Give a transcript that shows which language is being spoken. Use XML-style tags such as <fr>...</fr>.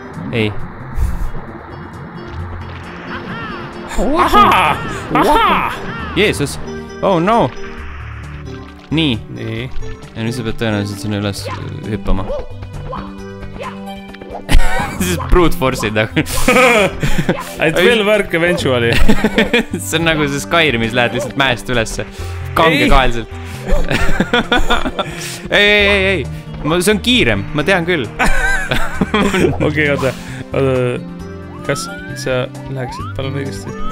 <et>Ei. Aha! Jeesus!</et> <en>Oh no!</en> <et>Nii. Nii. Ja nüüd sa pead tõenäoliselt sinna üles hüppama. siis brute force'id nagu.</et> <en>It will work eventually.</en> <et>See on nagu see Skyrimis, lähed lihtsalt mäest ülesse. Kange kaelselt. ei. See on kiirem, ma tean küll. Okei, oota. Kas sa läheksid palun õigesti?</et>